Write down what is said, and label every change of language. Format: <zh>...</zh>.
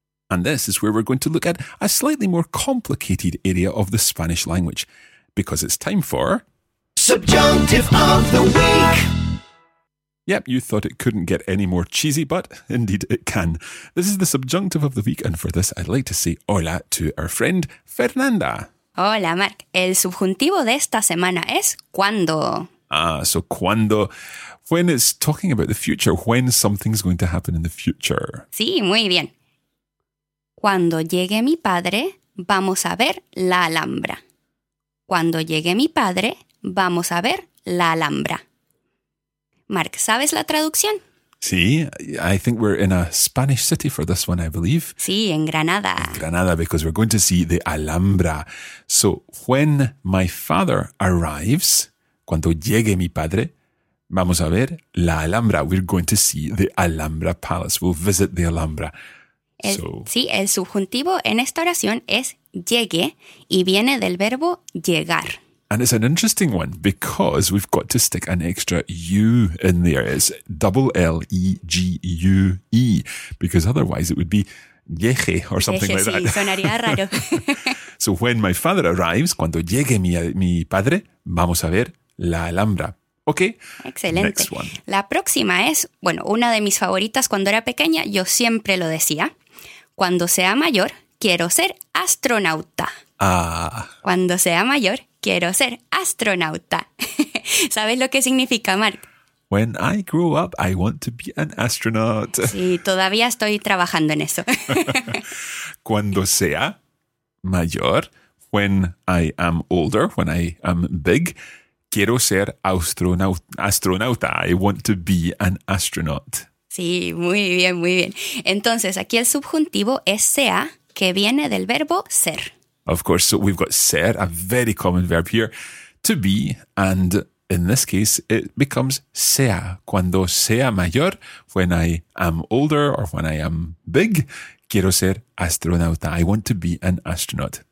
<en>And this is where we're going to look at a slightly more complicated area of the Spanish language, because it's time for... Subjunctive of the Week! Yep, you thought it couldn't get any more cheesy, but indeed it can. This is the Subjunctive of the Week, and for this I'd like to say hola to our friend Fernanda.</en> <es>Hola, Mark. El subjuntivo de esta semana es cuando...</es> <en>So cuando, when it's talking about the future, when something's going to happen in the future.</en> <es>Sí, muy bien. Cuando llegue mi padre, vamos a ver la Alhambra. Cuando llegue mi padre, vamos a ver la Alhambra. Mark, ¿sabes la traducción?</es> <en>Sí, I think we're in a Spanish city for this one, I believe.</en> <es>Sí, en Granada.</es> <en>In Granada, because we're going to see the Alhambra. So, when my father arrives...</en> <es>Cuando llegue mi padre, vamos a ver la Alhambra.</es> <en>We're going to see the Alhambra Palace. We'll visit the Alhambra.</en> <es>El subjuntivo en esta oración es llegue y viene del verbo llegar.</es> <en>And it's an interesting one because we've got to stick an extra U in there. It's double L-E-G-U-E because otherwise it would be lleje or something</en> <es>lleje,</es> <en>like</en> <es>sí,</es> <en>that.</en> <es>Sonaría raro.</es> <en>So when my father arrives,</en> <es>cuando llegue mi padre, vamos a ver la Alhambra.</es> <en>Ok.</en> <es>Excelente.</es> <en>Next one.</en> <es>La próxima es, bueno, una de mis favoritas cuando era pequeña, yo siempre lo decía. Cuando sea mayor, quiero ser astronauta. Ah. Cuando sea mayor, quiero ser astronauta. ¿Sabes lo que significa, Mark?</es> <en>When I grow up, I want to be an astronaut.</en> <es>Sí, todavía estoy trabajando en eso. Cuando sea mayor,</es> <en>when I am older, when I am big,</en> <es>quiero ser astronauta.</es> <en>I want to be an astronaut.</en> <es>Sí, muy bien, muy bien. Entonces, aquí el subjuntivo es sea, que viene del verbo ser.</es> <en>Of course, so we've got ser, a very common verb here, to be, and in this case, it becomes sea.</en> <es>Cuando sea mayor,</es> <en>when I am older or when I am big,</en> <es>quiero ser astronauta.</es> <en>I want to be an astronaut.</en>